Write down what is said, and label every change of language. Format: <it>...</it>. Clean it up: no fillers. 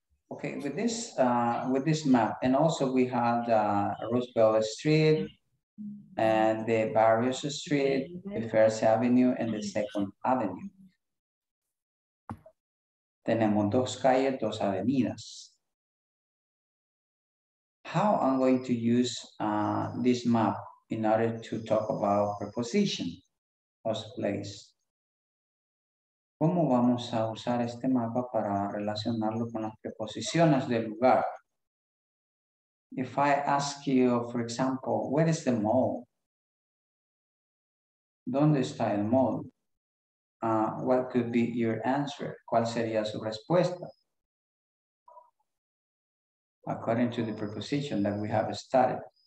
<en>Okay, with this map, and also we have the Roosevelt Street and the Barrios Street, the First Avenue and the Second Avenue.</en> <es>Tenemos dos calles, dos avenidas.</es> <en>How I'm going to use this map in order to talk about preposition, first place.</en> <es>¿Cómo vamos a usar este mapa para relacionarlo con las preposiciones del lugar?</es> <en>If I ask you, for example, where is the mall?</en> <es>¿Dónde está el mall?</es> <en>What could be your answer?</en> <es>¿Cuál sería su respuesta?</es> <en>According to the preposition that we have studied.</en>